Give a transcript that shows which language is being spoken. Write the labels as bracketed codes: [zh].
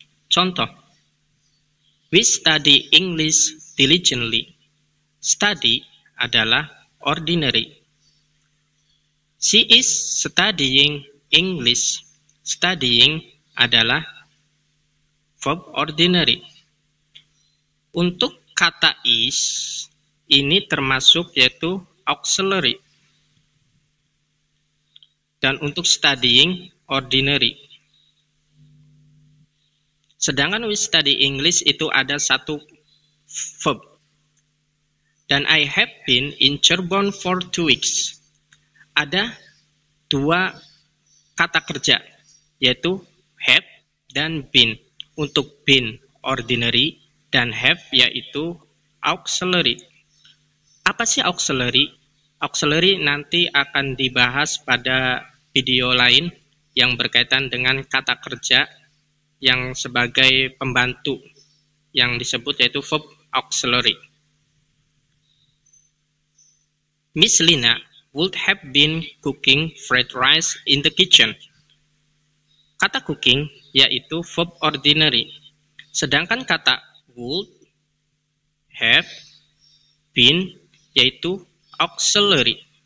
[en] Contoh, we study English diligently. [id] Study adalah ordinary. [en] She is studying English. [id] Studying adalah verb ordinary. Untuk kata is, ini termasuk yaitu auxiliary. Dan untuk studying, ordinary. Sedangkan we study English itu ada satu verb. [en] Dan I have been in Cirebon for 2 weeks. [id] Ada dua kata kerja, yaitu have dan been. Untuk been, ordinary, dan have, yaitu auxiliary. Apa sih auxiliary? Auxiliary nanti akan dibahas pada video lain yang berkaitan dengan kata kerja yang sebagai pembantu, yang disebut yaitu verb auxiliary. [en] Miss Lina would have been cooking fried rice in the kitchen. [id] Kata cooking yaitu verb ordinary. Sedangkan kata would have been yaitu auxiliary.